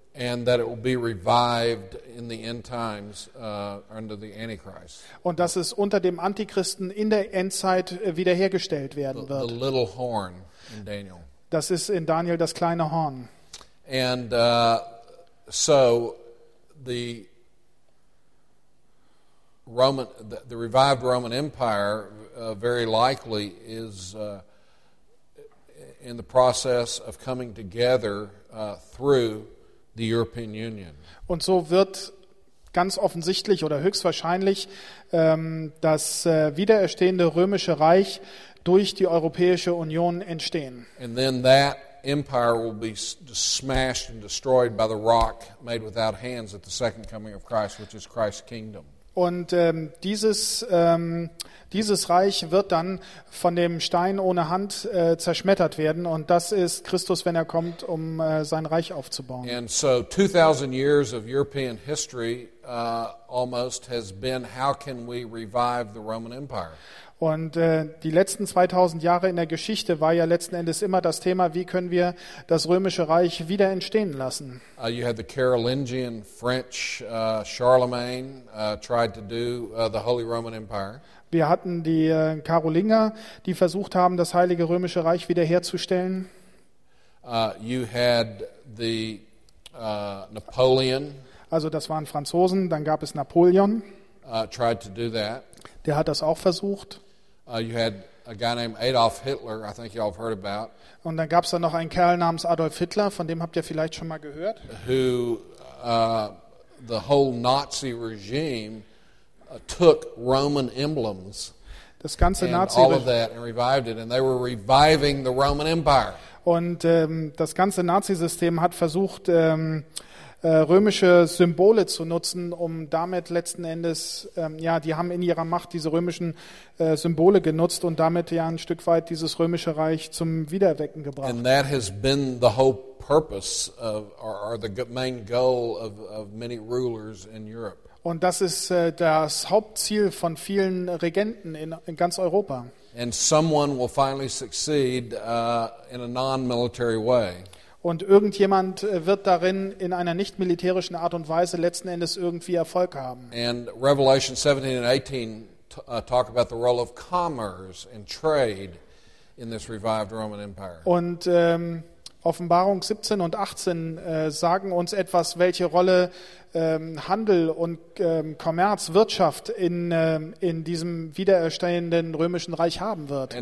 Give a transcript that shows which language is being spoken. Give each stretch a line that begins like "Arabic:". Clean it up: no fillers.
English: And that it will be revived in the end times under the Antichrist.
German: Und dass es unter dem Antichristen in der Endzeit wiederhergestellt werden wird.
English: The little horn in Daniel.
German: Das ist in Daniel das kleine Horn.
English: And so the revived Roman Empire very likely is in the process of coming together through the European Union.
German: Und so wird ganz offensichtlich oder höchstwahrscheinlich das wiedererstehende römische Reich durch die Europäische Union entstehen.
English: And then that empire will be smashed and destroyed by the rock made without hands at the second coming of Christ, which is Christ's kingdom.
German: Und dieses Reich wird dann von dem Stein ohne Hand zerschmettert werden. Und das ist Christus, wenn er kommt, um sein Reich aufzubauen.
English: And so 2000 years of European history almost has been, how can we revive the Roman Empire?
German: Und die letzten 2000 Jahre in der Geschichte war ja letzten Endes immer das Thema, wie können wir das römische Reich wieder entstehen lassen.
English: You had the Carolingian French Charlemagne tried to do the Holy Roman Empire.
German: Wir hatten die Karolinger, die versucht haben, das Heilige Römische Reich wiederherzustellen.
English: You had the Napoleon.
German: Also das waren Franzosen, dann gab es Napoleon.
English: Tried to do that.
German: Der hat das auch versucht.
English: You had a guy named Adolf Hitler, I think you all have heard about.
German: Und dann gab es da noch einen Kerl namens Adolf Hitler, von dem habt ihr vielleicht schon mal gehört.
English: Who the whole Nazi regime took Roman emblems.
German: Das ganze
English: and Nazi all of that and revived it, and they were reviving the Roman Empire.
German: Und das ganze Nazi-System hat versucht, römische Symbole zu nutzen, um damit letzten Endes, ja, die haben in ihrer Macht diese römischen Symbole genutzt und damit ja ein Stück weit dieses römische Reich zum Wiedererwecken gebracht.
English: And that has been the whole purpose of, or the main goal of many rulers in Europe.
German: Und das ist das Hauptziel von vielen Regenten in ganz Europa.
English: And someone will finally succeed in a non-military way.
German: Und irgendjemand wird darin in einer nicht militärischen Art und Weise letzten Endes irgendwie Erfolg haben.
English: And Revelation 17 and 18 talk about the role of commerce and trade in this revived Roman Empire.
German: Und Offenbarung 17 und 18 sagen uns etwas, welche Rolle Handel und Kommerz, Wirtschaft in diesem wiedererstehenden römischen Reich haben wird.